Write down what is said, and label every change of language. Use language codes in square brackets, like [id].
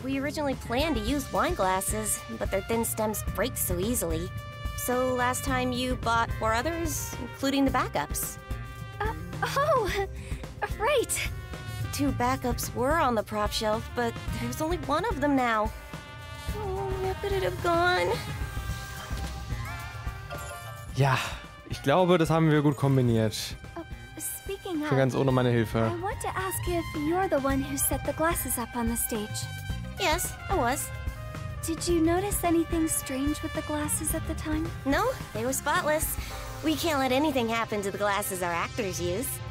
[en] We originally planned to use wine glasses, but their thin stems break so easily. So last time you bought four others, including the backups. Right. Two backups were on the prop shelf, but there's only one of them now. Oh, where could it have gone? [de] Ja, ich glaube, das haben wir gut kombiniert. [en] Speaking [de] Schon ganz ohne meine Hilfe. [en] I want to ask if you're the one who set the glasses up on the stage. Yes, I was. Did you notice anything strange with the glasses at the time? No, they were spotless. We can't let anything happen to the glasses our actors use.